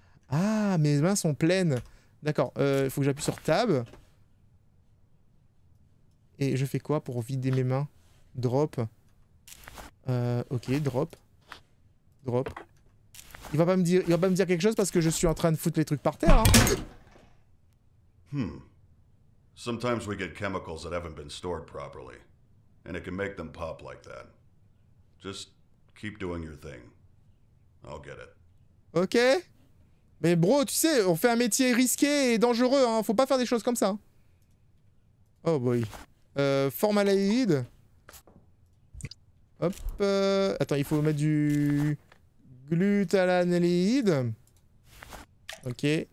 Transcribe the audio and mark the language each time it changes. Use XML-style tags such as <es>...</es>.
<fr>Ah, mes mains sont pleines. D'accord, il faut que j'appuie sur tab. Et je fais quoi pour vider mes mains? Drop. Ok, drop. Drop. Il va pas me dire quelque chose parce que je suis en train de foutre les trucs par terre. Hein.</fr> <en>Sometimes we get chemicals that haven't been stored properly. And it can make them pop like that. Just keep doing your thing. I'll get it.</en> <fr>Ok. Mais bro, tu sais, on fait un métier risqué et dangereux, hein. Faut pas faire des choses comme ça.</fr> <en>Oh boy.</en> <fr>Formaldehyde. Hop. Attends, il faut mettre du... glutathionylide. Ok.</fr>